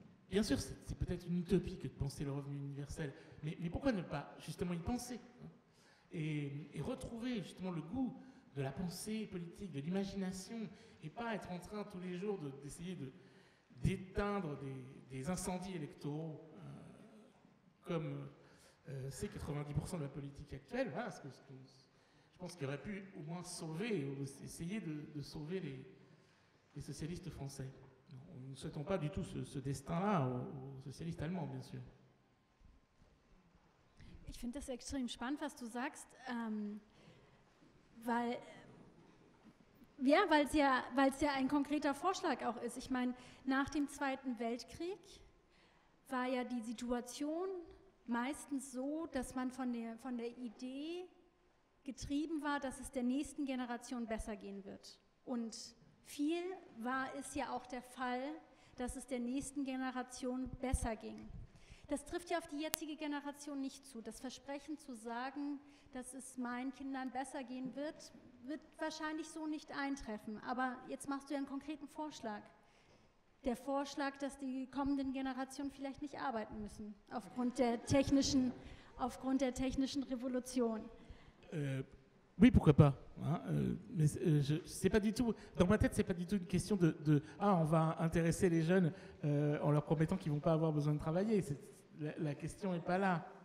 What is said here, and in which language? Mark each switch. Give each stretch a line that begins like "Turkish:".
French: Bien sûr, c'est peut-être une utopie que de penser le revenu universel, mais pourquoi ne pas justement y penser, hein, et retrouver justement le goût de la pensée politique, de l'imagination, et pas être en train tous les jours d'essayer d'éteindre des incendies électoraux comme c'est 90% de la politique actuelle. Voilà, je pense qu'il aurait pu au moins essayer de sauver les socialistes français. Nous ne souhaitons pas du tout ce destin-là aux socialistes allemands, bien sûr.
German: Ich finde das extrem spannend, was du sagst, weil es ja ein konkreter Vorschlag auch ist. Ich meine, nach dem Zweiten Weltkrieg war ja die Situation meistens so, dass man von der Idee getrieben war, dass es der nächsten Generation besser gehen wird. Und viel war es ja auch der Fall, dass es der nächsten Generation besser ging. Das trifft ja auf die jetzige Generation nicht zu. Das Versprechen zu sagen, dass es meinen Kindern besser gehen wird, wird wahrscheinlich so nicht eintreffen. Aber jetzt machst du ja einen konkreten Vorschlag. Der Vorschlag, dass die kommenden Generationen vielleicht nicht arbeiten müssen, aufgrund der technischen Revolution.
French: Oui, pourquoi pas, hein, mais c'est pas du tout, dans ma tête, c'est pas du tout une question de on va intéresser les jeunes en leur promettant qu'ils vont pas avoir besoin de travailler. La question est pas là.